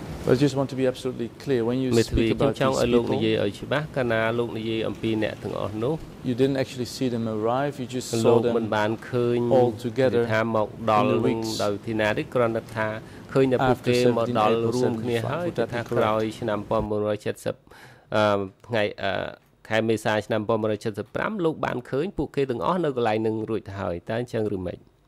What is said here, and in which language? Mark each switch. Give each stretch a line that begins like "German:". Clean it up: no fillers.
English: I just want to be absolutely clear when you speak about these people.
Khmer: លោកនិយាយឲ្យច្បាស់កាលណាលោកនិយាយអំពីអ្នកទាំងអស់នោះ
English: You didn't actually see them arrive, you just saw them.
Khmer: មិនបានឃើញថាមកដល់ដល់ទីណាទេគ្រាន់តែថាឃើញតែពួកគេមកដល់រួមគ្នាហើយថាក្រោយឆ្នាំ1970ថ្ងៃខែមេសាឆ្នាំ1975លោកបានឃើញពួកគេទាំងអស់នៅកន្លែងនឹងរួចទៅហើយតើអញ្ចឹងឬមិន